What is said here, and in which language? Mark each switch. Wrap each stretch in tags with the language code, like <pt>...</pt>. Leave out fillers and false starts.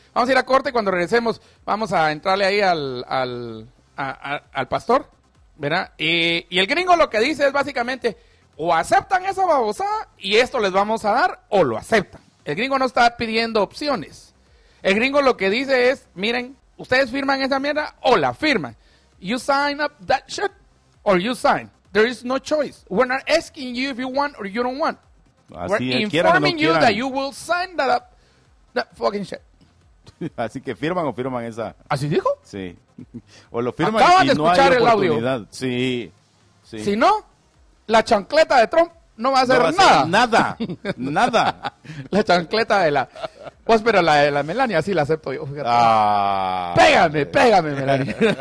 <es>Vamos a ir a corte, cuando regresemos vamos a entrarle ahí al pastor, ¿verdad? Y el gringo lo que dice es básicamente, o aceptan esa babosada y esto les vamos a dar, o lo aceptan. El gringo no está pidiendo opciones. El gringo lo que dice es, miren, ustedes firman esa mierda o la firman.</es> <en>You sign up that shit or you sign. There is no choice. We're not asking you if you want or you don't want.</en> <es>Así</es> <en>we're informing you that you will sign that up, that fucking shit.</en> <es>Así que firman o firman esa. ¿Así dijo? Sí. O lo firman. Acaban y de escuchar no hay el oportunidad. Audio. Sí, sí. Si no, la chancleta de Trump no va a hacer nada. Nada. La chancleta de la. Pues, pero la de la Melania, sí la acepto yo. Ah. Pégame, Melania.</es>